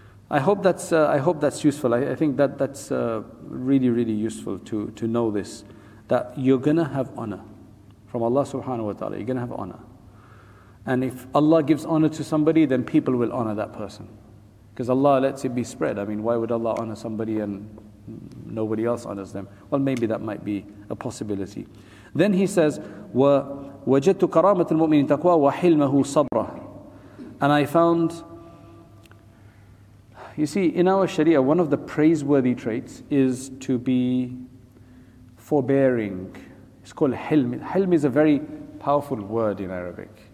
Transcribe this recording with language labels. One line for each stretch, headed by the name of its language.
English: I hope that's useful. I think that's really, really useful to know this, that you're going to have honor from Allah subhanahu wa ta'ala, you're going to have honor. And if Allah gives honor to somebody, then people will honor that person. Because Allah lets it be spread. I mean, why would Allah honor somebody and nobody else honors them? Well, maybe that might be a possibility. Then he says,
Arabic: وَجَدْتُ كَرَامَةَ الْمُؤْمِنِ تَقْوَى وَحِلْمَهُ صَبْرًا.
English: And I found, you see, in our Sharia, one of the praiseworthy traits is to be forbearing. It's called حِلْم. حِلْم is a very powerful word in Arabic.